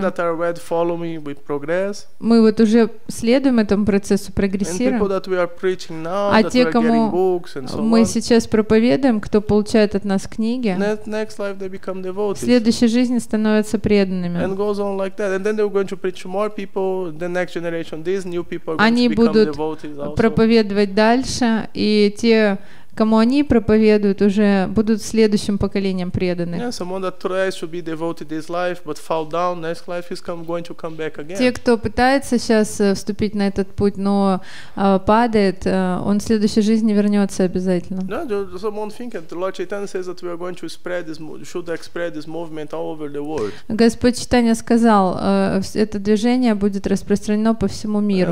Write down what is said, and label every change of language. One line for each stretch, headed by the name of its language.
English: We that are red follow me, we progress.
Russian: Мы вот уже следуем этому процессу, прогрессируем.
English: And people that we are preaching now,
Russian: а те, кому
English: we are getting books and so
Russian: мы
English: on.
Russian: Сейчас проповедуем, кто получает от нас книги,
English: next life they become devotees.
Russian: В следующей жизни становятся преданными.
English: And goes on like that. And then they're going to preach more people, the next generation, these new people are going to become devotees also.
Russian: Проповедовать дальше, и те, кому они проповедуют, уже будут следующим поколением преданы.
English: Yeah, someone that tries to be devoted this life, but fall down, next life is going to come back again.
Russian: Те, кто пытается сейчас вступить на этот путь, но падает, он в следующей жизни вернется обязательно.
English: Yeah, someone thinking, the Lord Chaitanya says that we are going to spread this, should spread this movement all over the world.
Russian: Господь Чайтанья сказал, это движение будет распространено по всему миру.